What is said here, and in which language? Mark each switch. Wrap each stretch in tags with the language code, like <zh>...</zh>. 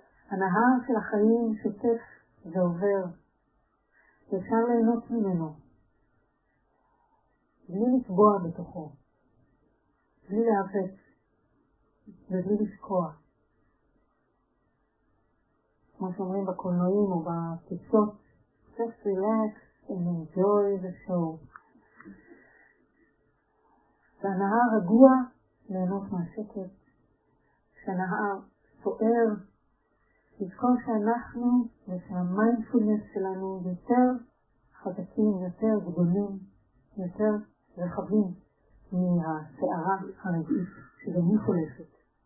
<he>הנהר של החיים שוטף ועובר, ואפשר ליהנות ממנו, בלי לפגוע בתוכו, בלי להפת, ובלי לשקוע. כמו שאומרים בקולנועים או בפיסות,</he> <en>just relax and enjoy the show.</en> <he>והנהר רגוע ליהנות מהשקט, שהנהר סוער, לזכור שאנחנו ושהמיינדפולנס שלנו יותר חזקים, יותר גדולים, יותר רחבים מהסערה הרגעית שגם היא חולפת.</he>